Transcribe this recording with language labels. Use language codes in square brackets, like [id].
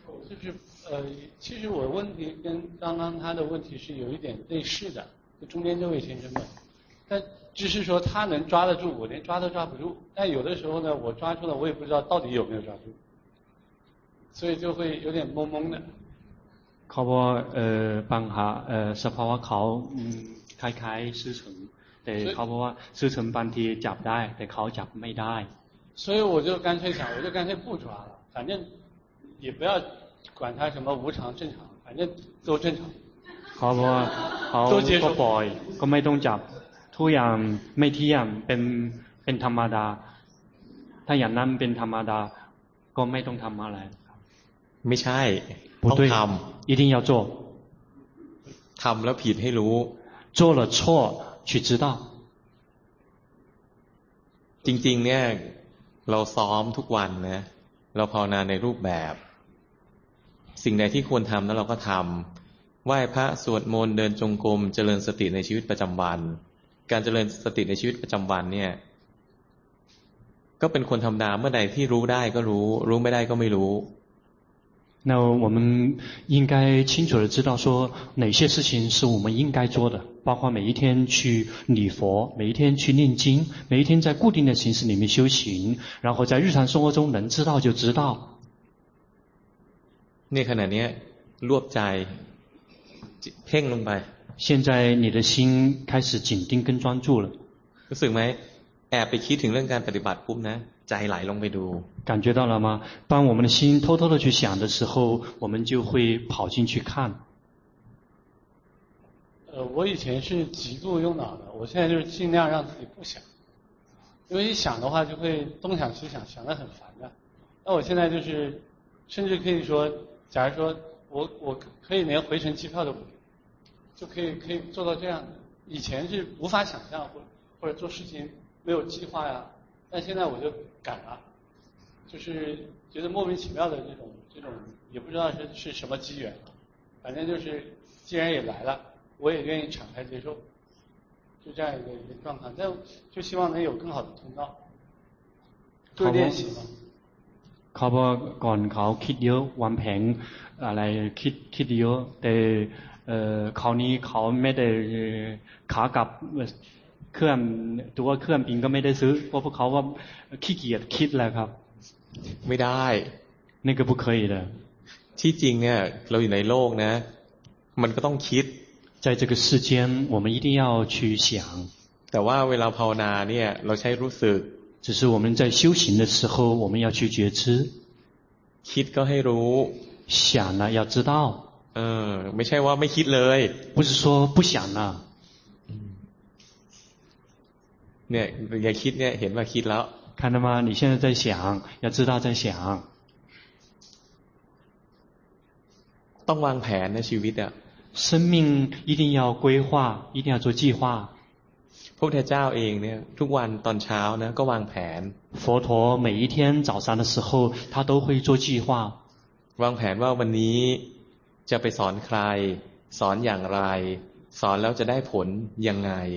[zh] 就是其实我问题跟刚刚他的问题是有一点类似的，就中间这位先生问，但只是说他能抓得住，我连抓都抓不住。但有的时候呢，我抓住了，我也不知道到底有没有抓住，所以就会有点懵懵的。 [th] เขาบอกปัญหาสภาวะเขาคล้ายคล้ายซื่อเฉิงแต่เขาบอกว่าซื่อเฉิงบางทีจับได้แต่เขาจับไม่ได้ [zh] 所以我就干脆想我就干脆不抓了反正也不要管他什么无常正常反正都正常 [th] เขาบอกว่าเขาก็ปล่อยก็ไม่ต้องจับทุกอย่างไม่เที่ยงเป็นธรรมดาถ้าอย่างนั้นเป็นธรรมดาก็ไม่ต้องทำอะไร ไม่ใช่ [zh] 不对，一定要做。 [th] ทำแล้วผิดให้รู้。 [zh] 做了错去知道。 [th] จริงๆเนี่ยเราซ้อมทุกวันนะเราภาวนาในรูปแบบสิ่งใดที่ควรทำแล้วเราก็ทำไหว้พระสวดมนต์เดินจงกรมเจริญสติในชีวิตประจำวันการเจริญสติในชีวิตประจำวันเนี่ยก็เป็นคนธรรมดาเมื่อใดที่รู้ได้ก็รู้รู้ไม่ได้ก็ไม่รู้ [zh] 那我们应该清楚地知道说哪些事情是我们应该做的包括每一天去礼佛每一天去念经每一天在固定的形式里面修行然后在日常生活中能知道就知道那可能你落在偏了吧现在你的心开始紧盯跟专注了有什么 [th] แอบไปคิดถึงเรื่องการปฏิบัติปุ๊บนะใจไหลลงไปดู [zh] 感觉到了吗当我们的心偷偷的去想的时候我们就会跑进去看我以前是极度用脑的我现在就是尽量让自己不想因为一想的话就会东想西想想得很烦的那我现在就是甚至可以说假如说我可以连回程机票都不用就可以做到这样的以前是无法想象或者做事情没有计划呀但现在我就敢了就是觉得莫名其妙的这种也不知道是什么机缘反正就是既然也来了我也愿意敞开接受就这样一个状况但就希望能有更好的通道多练习吗 [th] ขอบอกก่อนเขาคิดเยอะวางแผนอะไรคิดเยอะแต่คราวนี้เขาไม่ได้ขากลับเครื่องตัวเครื่องปิงก็ไม่ได้ซื้อเพราะพวกเขาว่าขี้เกียจคิดแล้วครับ ไม่ได้ นี่ก็ [zh] 不可以的 [th] ที่จริงเนี่ยเราอยู่ในโลกนะมันก็ต้องคิด [zh] 在这个世间我们一定要去想 [th] แต่ว่าเวลาภาวนาเนี่ยเราใช้รู้สึก [zh] 只是我们在修行的时候我们要去觉知 [th] คิดก็ให้รู้ [zh] 想了要知道 [th] ไม่ใช่ว่าไม่คิดเลย [zh] 不是说不想了 [th] เนี่ยอย่าคิดเนี่ยเห็นว่าคิดแล้ว [zh] คันธมา你现在在想要知道在想 [th] ต้องวางแผนในชีวิตอ่ะ [zh] 生命一定要规划一定要做计划 [th] พระพุทธเจ้าเองเนี่ยทุกวันตอนเช้านะก็วางแผน [zh] 佛陀每一天早上的时候他都会做计划 [th] วางแผนว่าวันนี้จะไปสอนใครสอนอย่างไรสอนแล้วจะได้ผลยังไง